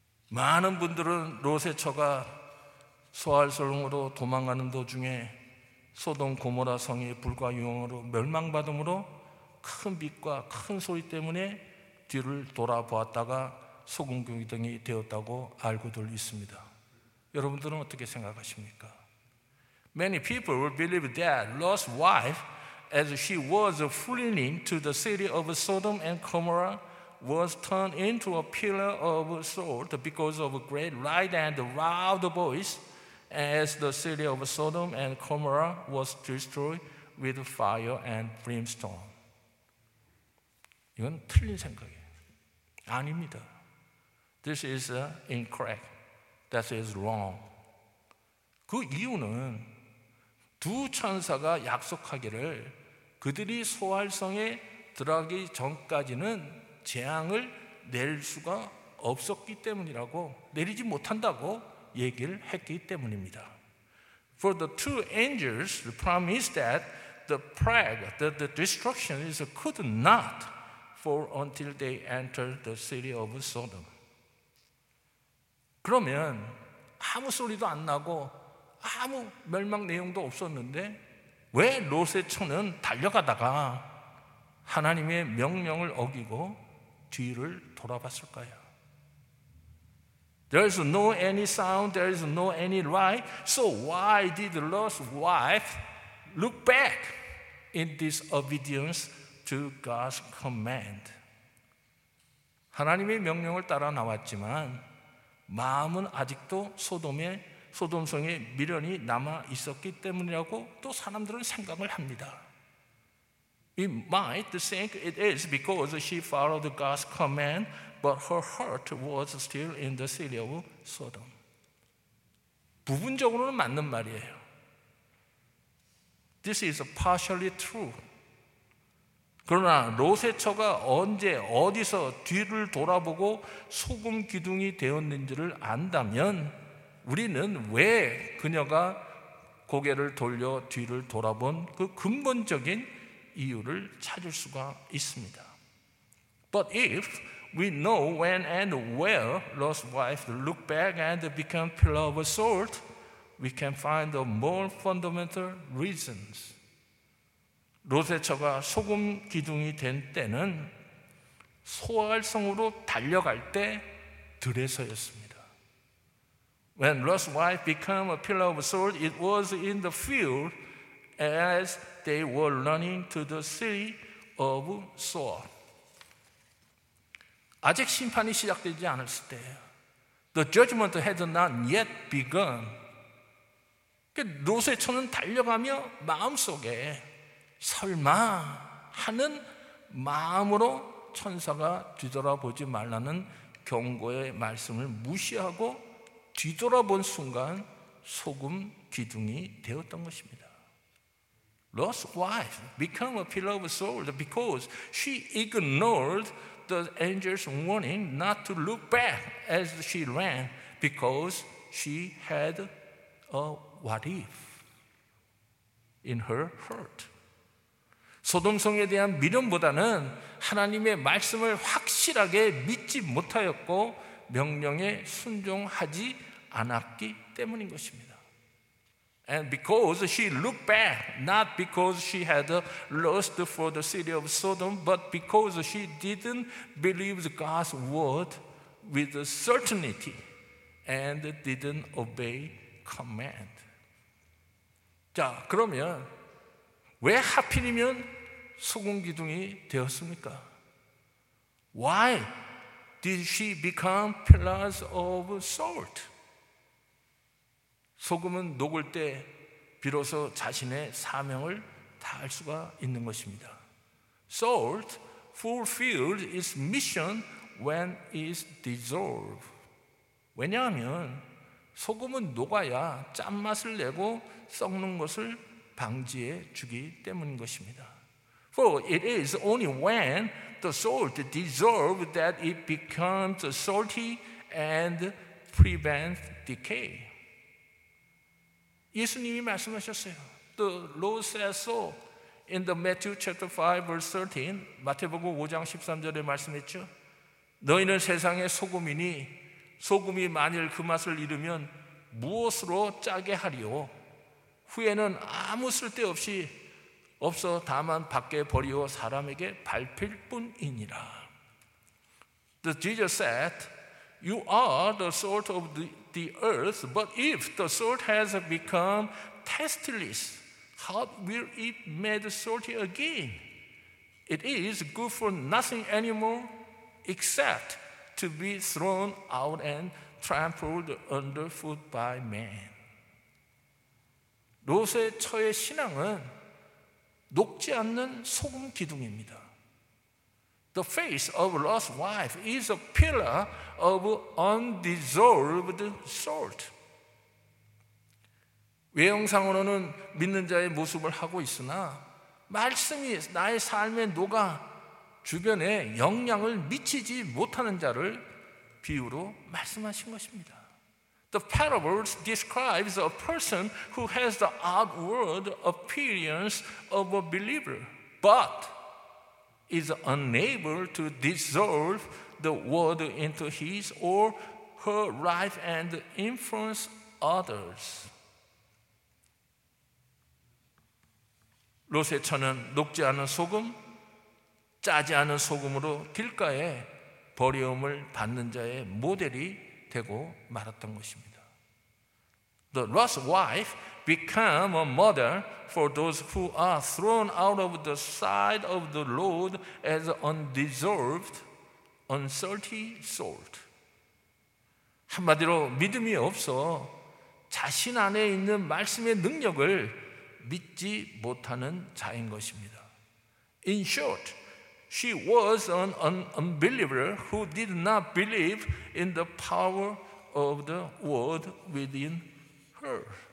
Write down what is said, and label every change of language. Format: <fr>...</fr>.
<ko>많은 분들은 롯의 처가 소알소름으로 도망가는 도중에 소돔 고모라 성의 불과 유황으로 멸망받음으로 큰 빛과 큰 소리 때문에 뒤를 돌아보았다가 소금구경이 되었다고 알고들 있습니다. 여러분들은 어떻게 생각하십니까?</ko> <en>Many people believe that Lot's wife, as she was fleeing to the city of Sodom and Gomorrah, was turned into a pillar of salt because of a great light and loud voice as the city of Sodom and Gomorrah was destroyed with fire and brimstone.</en> <ko>이건 틀린 생각이에요. 아닙니다.</ko> <en>This is incorrect. That is wrong.</en> <ko>그 이유는 두 천사가 약속하기를 그들이 소활성에 들어가기 전까지는 재앙을 낼 수가 없었기 때문이라고 내리지 못한다고 얘기를 했기 때문입니다.</ko> <en>For the two angels promised that the plague, that the destruction is could not fall until they entered the city of Sodom.</en> <ko>그러면 아무 소리도 안 나고 아무 멸망 내용도 없었는데 왜 롯의 처는 달려가다가 하나님의 명령을 어기고 뒤를 돌아봤을까요?</ko> <en>There is no any sound, there is no any light. So why did Lot's wife look back in disobedience to God's command?</en> <ko>하나님의 명령을 따라 나왔지만 마음은 아직도 소돔에 소돔성에 미련이 남아 있었기 때문이라고 또 사람들은 생각을 합니다.</ko> <en>We might think it is because she followed God's command, but her heart was still in the city of Sodom.</en> <ko>부분적으로는 맞는 말이에요.</ko> <en>This is partially true.</en> <ko>그러나 롯의 처가 언제 어디서 뒤를 돌아보고 소금 기둥이 되었는지를 안다면 우리는 왜 그녀가 고개를 돌려 뒤를 돌아본 그 근본적인 이유를 찾을 수가 있습니다.</ko> <en>But if we know when and where Lot's wife looked back and became a pillar of salt, we can find the more fundamental reasons.</en> <ko>롯의 처가 소금 기둥이 된 때는 소활성으로 달려갈 때 들에서였습니다.</ko> <en>When Lot's wife became a pillar of salt, it was in the field as they were running to the city of Soar.</en> <ko>아직 심판이 시작되지 않았을 때예요.</ko> <en>The judgment had not yet begun.</en> <ko>롯의 처는 달려가며 마음속에 설마 하는 마음으로 천사가 뒤돌아보지 말라는 경고의 말씀을 무시하고 뒤돌아본 순간 소금 기둥이 되었던 것입니다.</ko> <en>Lot's wife became a pillar of salt because she ignored the angel's warning not to look back as she ran because she had a what if in her heart.</en> <ko>소돔성에 대한 미련보다는 하나님의 말씀을 확실하게 믿지 못하였고 명령에 순종하지 않았기 때문인 것입니다.</ko> <en>And because she looked back, not because she had lust for the city of Sodom, but because she didn't believe God's word with certainty and didn't obey command.</en> <ko>자, 그러면 왜 하필이면 소금 기둥이 되었습니까?</ko> <en>Why did she become pillars of salt?</en> <ko>소금은 녹을 때 비로소 자신의 사명을 다할 수가 있는 것입니다.</ko> <en>Salt fulfills its mission when it is dissolved.</en> <ko>왜냐하면 소금은 녹아야 짠맛을 내고 썩는 것을 방지해 주기 때문인 것입니다.</ko> <en>For it is only when the salt dissolves that it becomes salty and prevents decay.</en> <ko>예수님이 말씀하셨어요.</ko> <en>The Lord says so in the Matthew chapter 5 verse 13.</en> <ko>마태복음 5장 13절에 말씀했죠. 너희는 세상의 소금이니 소금이 만일 그 맛을 잃으면 무엇으로 짜게 하리요? 후에는 아무 쓸데 없이 없어 다만 밖에 버리어 사람에게 밟힐 뿐이니라.</ko> <en>The Jesus said, You are the salt of the earth, but if the salt has become tasteless, how will it be made salty again? It is good for nothing anymore except to be thrown out and trampled underfoot by man.</en> <ko>롯의 처의 신앙은 녹지 않는 소금 기둥입니다.</ko> <en>The face of Lot's wife is a pillar of undissolved salt.</en> <ko>외형상으로는 믿는 자의 모습을 하고 있으나 말씀이 나의 삶에 녹아 주변에 영향을 미치지 못하는 자를 비유로 말씀하신 것입니다.</ko> <en>The parable describes a person who has the outward appearance of a believer, but is unable to dissolve the word into his or her life and influence others.</en> <ko>롯의 처는 녹지 않은 소금, 짜지 않은 소금으로 길가에 버려움을 받는 자의 모델이 되고 말았던 것입니다.</ko> <en>The Lot's wife became a model for those who are thrown out of the sight of the Lord as undissolved, unsalty salt.</en> <ko>한마디로 믿음이 없어 자신 안에 있는 말씀의 능력을 믿지 못하는 자인 것입니다.</ko> <en>In short, she was an unbeliever who did not believe in the power of the word within her.</en>